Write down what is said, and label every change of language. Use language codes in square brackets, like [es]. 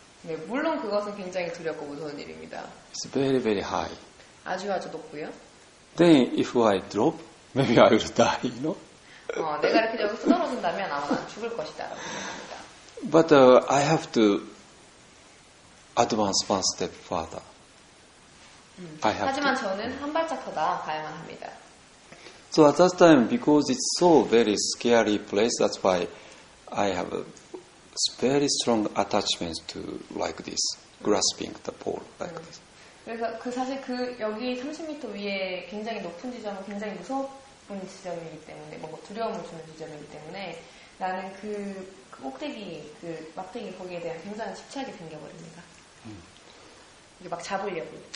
[ko] 네, 물론 그것은 굉장히 두렵고 무서운 일입니다. [en] It's very, very high. [ko] 아주 아주 높고요. [en] Then if I drop, maybe I will die, you know? [ko] 내가 이렇게 여기서 떨어진다면 아마 난 죽을 것이다. 라고 생각합니다. [en] But I have to advance one step further. [ko] 하지만 저는 한 발짝 더 나아가야만 합니다. [en] So at that time, because it's so very scary place, that's why I have a very strong attachment to like this, grasping the pole like this. [ko] 그래서 그 사실 그 여기 30m 위에 굉장히 높은 지점은 굉장히 무서운 지점이기 때문에 뭐 두려움을 주는 지점이기 때문에 나는 그 꼭대기 그 막대기 거기에 대한 굉장한 집착이 생겨버립니다. 이게 막 잡으려고.